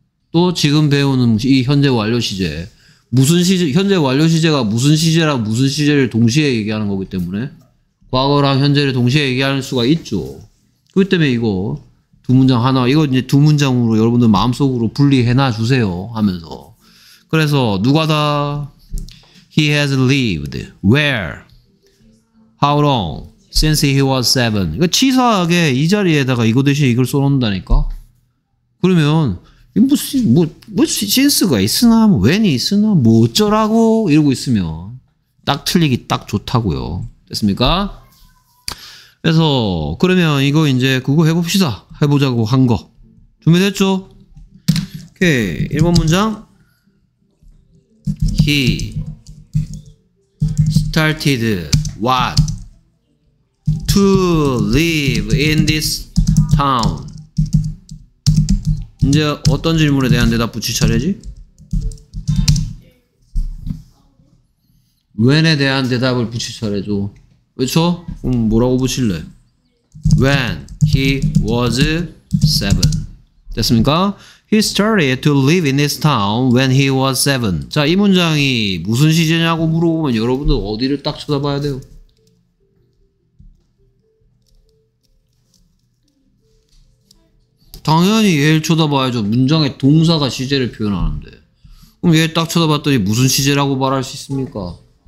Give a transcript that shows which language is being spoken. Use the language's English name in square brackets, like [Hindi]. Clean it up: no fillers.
[Korean] 또 지금 배우는 이 현재 완료 시제 무슨 시제 현재 완료 시제가 무슨 시제랑 무슨 시제를 동시에 얘기하는 거기 때문에 과거랑 현재를 동시에 얘기할 수가 있죠. 그렇기 때문에 이거 두 문장 하나 이거 이제 두 문장으로 여러분들 마음속으로 분리해 놔 주세요 하면서. 그래서 누가 다 [English] He has lived where how long since he was seven. [Korean] 이거 치사하게 이 자리에다가 이거 대신 이걸 써놓는다니까. 그러면 뭐 since가 있으나 뭐 when이 있으나 뭐 어쩌라고 이러고 있으면 딱 틀리기 딱 좋다고요. 됐습니까? 그래서 그러면 이거 이제 그거 해봅시다. 해보자고 한 거 준비됐죠? 오케이. 1번 문장 [English] He started what to live in this town. [Korean] 이제 어떤 질문에 대한 대답 붙일 차례지? When에 대한 대답을 붙일 차례죠. 그렇죠? 그럼 뭐라고 붙일래? [English] When he was seven. [Korean] 됐습니까? [English] He started to live in this town when he was seven. [Korean] 자, 이 문장이 무슨 시제냐고 물어보면 여러분들 어디를 딱 쳐다봐야 돼요? 당연히 얘를 쳐다봐야죠. 문장의 동사가 시제를 표현하는데. 그럼 얘를 딱 쳐다봤더니 무슨 시제라고 말할 수 있습니까?